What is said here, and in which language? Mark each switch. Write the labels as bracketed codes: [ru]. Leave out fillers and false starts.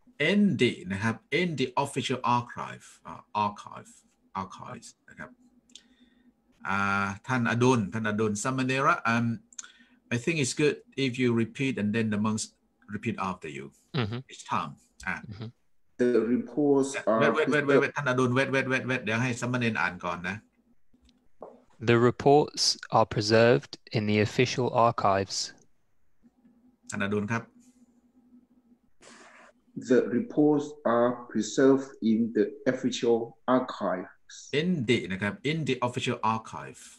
[en] In the, นะครับ In the official archive. Archives, นะครับ ท่านอดุล ท่านอดุล Samanera, I think it's good if you repeat and then the monks repeat after you. Mm-hmm. It's time. The reports are... [th] Wait. ท่านอดุล wait. เดี๋ยวให้สามเณรอ่านก่อนนะ [en] The reports are preserved in the official archives. [th] ท่านอดุลครับ [en] The reports are preserved in the official archives. In the, นะครับ In the official archive.